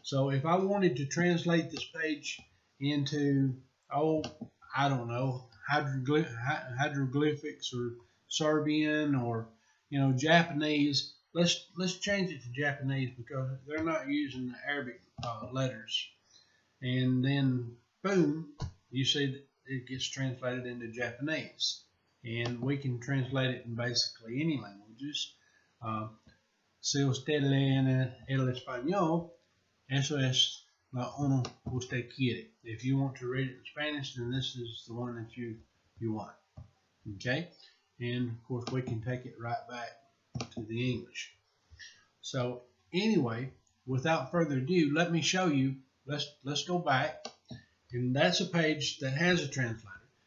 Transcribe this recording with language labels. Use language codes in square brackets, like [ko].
[en] So if I wanted to translate this page into, hieroglyphics or Serbian or, you know, Japanese, let's change it to Japanese because they're not using the Arabic letters. And then, boom, you see it gets translated into Japanese. And we can translate it in basically any languages. [es] Si usted lee el español, eso es la uno usted quiere. [en] If you want to read it in Spanish, then this is the one that you want. Okay? And, of course, we can take it right back to the English. So, anyway, without further ado, let me show you. Let's go back. And that's a page that has a translator.